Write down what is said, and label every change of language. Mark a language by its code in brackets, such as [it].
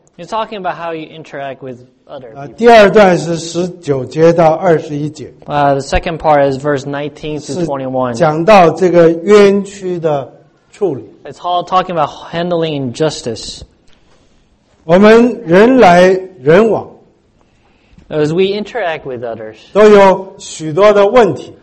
[en] You're talking about how you interact with other people. [zh] 第二段是十九节到二十一节。 [en] The second part is verse 19 to 21. [zh] 讲到这个冤屈的处理。 [en] It's all talking about handling injustice. [zh] 我们人来人往。 [en] As we interact with others, [zh] 都有许多的问题。